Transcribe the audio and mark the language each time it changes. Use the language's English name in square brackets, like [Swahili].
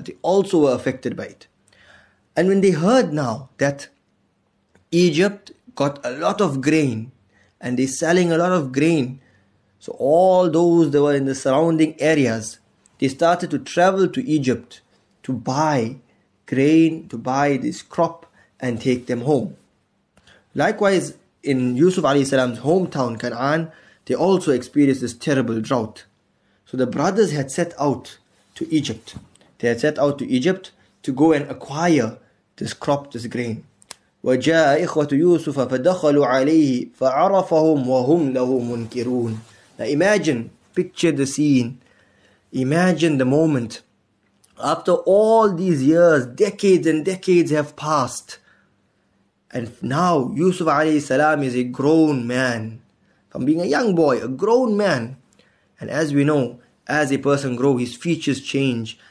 [English] They also were affected by it. And when they heard now that Egypt got a lot of grain and they're selling a lot of grain, so all those that were in the surrounding areas, they started to travel to Egypt to buy grain, to buy this crop and take them home. Likewise, in Yusuf alayhi salam's hometown, Canaan, they also experienced this terrible drought. So the brothers had set out to Egypt. They had set out to Egypt to go and acquire this crop, this grain. [Arabic] وجاء إخوة يوسف فدخلوا عليه فعرفهم وهم له منكرون. [English] Now imagine, picture the scene. Imagine the moment. After all these years, decades and decades have passed. And now Yusuf عليه السلام is a grown man. From being a young boy, a grown man. And as we know, as a person grows, his features change.